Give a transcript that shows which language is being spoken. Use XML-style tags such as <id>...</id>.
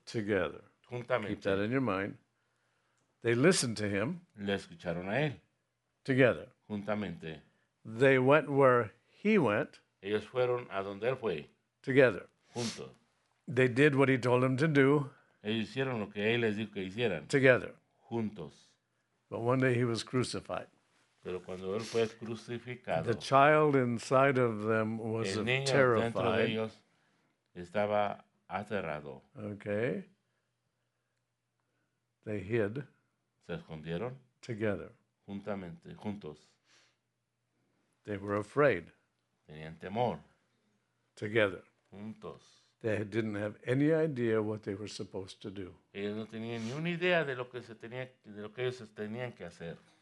<en>Together.</en> <es>Juntamente.</es> <en>Keep that in your mind. They listened to him.</en> <es>Le escucharon a él.</es> <en>Together.</en> <es>Juntamente.</es> <en>They went where he went.</en> <es>Ellos fueron a donde él fue.</es> <en>Together.</en> <es>Juntos.</es> <en>They did what he told them to do.</en> <es>Ellos hicieron lo que él les dijo que hicieran.</es> <en>Together.</en> <es>Juntos.</es> <en>But one day he was crucified.</en> <es>Pero cuando él fue crucificado,</es> <en>the child inside of them was</en> <es>el niño</es> <en>terrified.</en> <es>Dentro de ellos estaba aterrado.</es> <en>Okay. They hid.</en> <es>Se escondieron.</es> <en>Together.</en> <es>Juntamente, juntos.</es> <en>They were afraid.</en> <es>Tenían temor.</es> <en>Together.</en> <es>Juntos.</es> <en>They didn't have any idea what they were supposed to do.</en> <es>Ellos no tenían ni una idea de lo que se tenía, de lo que ellos tenían que hacer.</es>